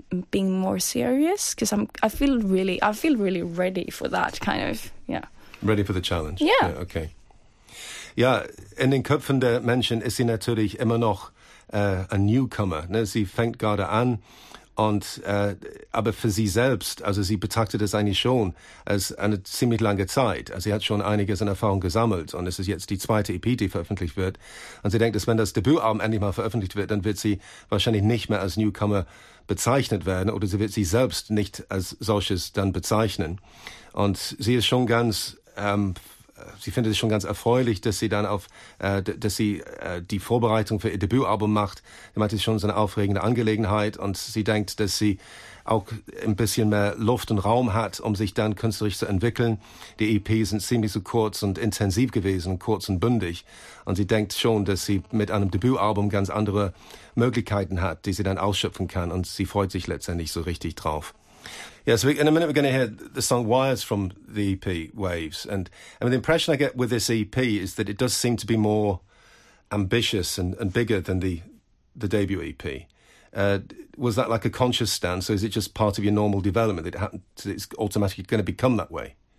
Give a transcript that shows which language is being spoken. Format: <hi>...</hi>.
<en>Being more serious because I feel really ready for that kind of ready for the challenge okay yeah.</en> <de>In den Köpfen der Menschen ist sie natürlich immer noch a newcomer, ne? Sie fängt gerade an und aber für sie selbst, also sie betrachtet es eigentlich schon als eine ziemlich lange Zeit, also sie hat schon einiges an Erfahrung gesammelt und es ist jetzt die 2. EP, die veröffentlicht wird, und sie denkt, dass wenn das Debütalbum endlich mal veröffentlicht wird, dann wird sie wahrscheinlich nicht mehr als newcomer bezeichnet werden, oder sie wird sie selbst nicht als solches dann bezeichnen. Und sie ist schon ganz, sie findet es schon ganz erfreulich, dass sie dann auf, dass sie die Vorbereitung für ihr Debütalbum macht. Sie meint, es ist schon so eine aufregende Angelegenheit und sie denkt, dass sie auch ein bisschen mehr Luft und Raum hat, um sich dann künstlerisch zu entwickeln. Die EPs sind ziemlich so kurz und intensiv gewesen, kurz und bündig. Und sie denkt schon, dass sie mit einem Debütalbum ganz andere Möglichkeiten hat, die sie dann ausschöpfen kann. Und sie freut sich letztendlich so richtig drauf.</de> <en>Yeah, so in a minute we're going to hear the song Wires from the EP Waves. And I mean, the impression I get with this EP is that it does seem to be more ambitious and bigger than the debut EP. Was that like a conscious stance, or is it just part of your normal development that it happened, that it's automatically going to become that way?</en>